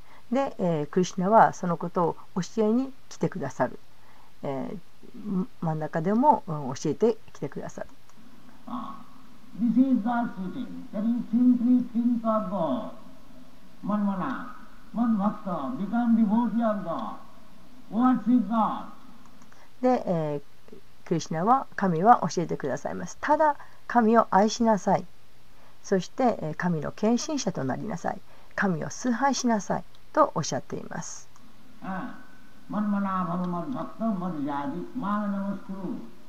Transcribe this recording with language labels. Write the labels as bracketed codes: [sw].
[ja] で、クリシナはそのことを教えに来てくださる、真ん中でも教えてきてくださる。 [en] This is God's teaching. That you simply think of God, [sa] manmana, manbhakta, [en] become devotee of God, worship God. [ja] で、クリシナは、神は教えてくださいます。ただ神を愛しなさい。そして、神の献身者となりなさい。神を崇拝しなさいとおっしゃっています。 [sa] manmana, manbhakta, madhyaji, mananamaskuru.